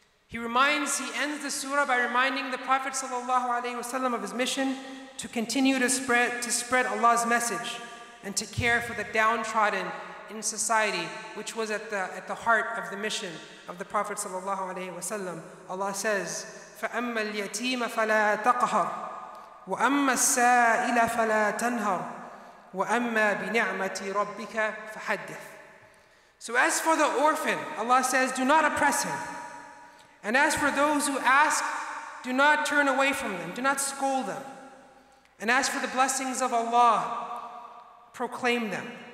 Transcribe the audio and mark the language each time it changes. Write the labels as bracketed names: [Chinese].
[English] He ends the surah by reminding the Prophet sallallahu alaihi wasallam of his mission to continue to spread Allah's message and to care for the downtrodden in society, which was at the heart of the mission of the Prophet sallallahu alaihi wasallam. Allah says, [Arabic] فَأَمَّا الْيَتِيمَ فَلَا تَقْهَرْ وَأَمَّا السَّائِلَ فَلَا تَنْهَرْ وَأَمَّا بِنِعْمَةِ رَبِّكَ فَحَدِّثْ. [English] So as for the orphan, Allah says, do not oppress him. And as for those who ask, do not turn away from them, do not scold them. And as for the blessings of Allah, proclaim them.